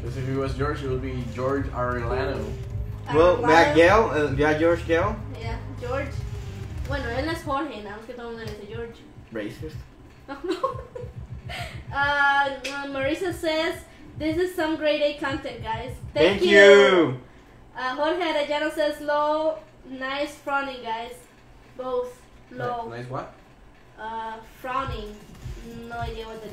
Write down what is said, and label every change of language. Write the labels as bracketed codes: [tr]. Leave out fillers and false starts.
[en] Because if he was George, it would be George Arellano. Well, Matt Gale? Yeah, George Gale? Yeah, George. [es] Bueno, él es Jorge, now que todo el mundo le dice George. [en] Racist. Marisa says, this is some great A content, guys. Thank you. Jorge Arellano says, low, nice frowning, guys. Both low. Nice what? Frowning. No idea what that